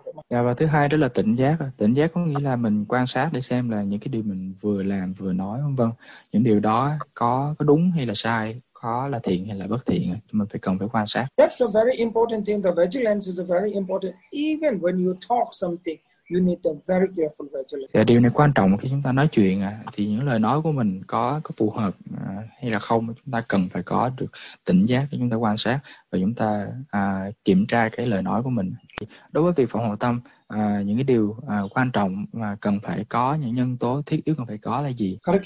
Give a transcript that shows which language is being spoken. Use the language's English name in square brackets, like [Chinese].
[Vietnamese] Và thứ hai đó là tỉnh giác. Tỉnh giác có nghĩa là mình quan sát để xem là những cái điều mình vừa làm vừa nói vân vân, những điều đó có đúng hay là sai, khó là thiện hay là bất thiện, chúng mình phải cần phải quan sát. [English] That's a very important thing. The vigilance is a very important. Even when you talk something, you need a very careful vigilance. [Vietnamese] Và điều này quan trọng khi chúng ta nói chuyện thì những lời nói của mình có phù hợp hay là không, chúng ta cần phải có được tỉnh giác để chúng ta quan sát và chúng ta kiểm tra cái lời nói của mình. Đối với việc phòng hộ tâm, những cái điều quan trọng mà cần phải có, những nhân tố thiết yếu cần phải có là gì?